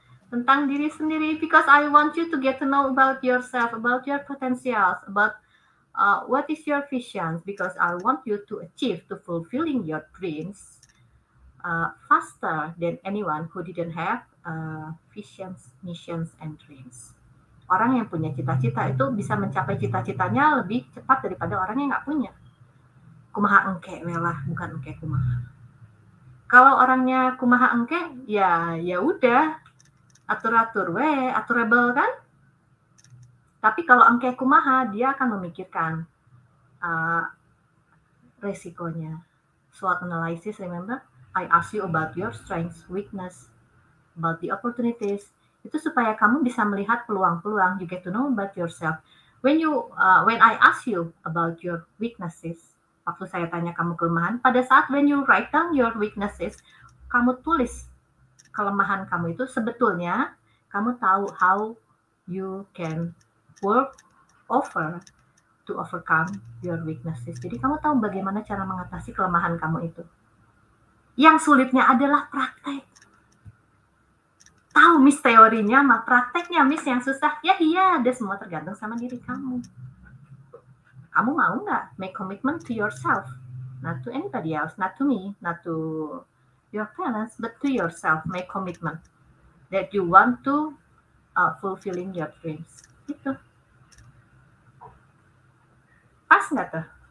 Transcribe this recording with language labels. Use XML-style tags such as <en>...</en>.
<id>Tentang diri sendiri,</id> <en>because I want you to get to know about yourself, about your potentials, about what is your vision? Because I want you to achieve to fulfilling your dreams faster than anyone who didn't have visions, missions, and dreams.</en> <id>Orang yang punya cita-cita itu bisa mencapai cita-citanya lebih cepat daripada orang yang nggak punya.</id> <su>Kumaha engke, melah,</su> <id>bukan engke kumaha. Kalau orangnya kumaha engke, ya udah atur-atur, we, aturable kan? Tapi kalau engke kumaha, dia akan memikirkan resikonya.</id> <en>SWOT analysis, remember? I ask you about your strengths, weakness, about the opportunities.</en> <id>Itu supaya kamu bisa melihat peluang-peluang.</id> <en>You get to know about yourself. When I ask you about your weaknesses,</en> <id>waktu saya tanya kamu kelemahan,</id> <en>pada saat when you write down your weaknesses,</en> <id>kamu tulis kelemahan kamu itu,</id> <en>sebetulnya kamu tahu how you can work over to overcome your weaknesses.</en> <id>Jadi kamu tahu bagaimana cara mengatasi kelemahan kamu itu. Yang sulitnya adalah praktek. Tahu miss teorinya mah prakteknya miss yang susah. Ya iya, ada semua tergantung sama diri kamu. kamu mau nggak</id> <en>make commitment to yourself, not to anybody else, not to me, not to your parents, but to yourself, make commitment that you want to fulfilling your dreams.</en> <id>Itu pas nggak tuh?</id>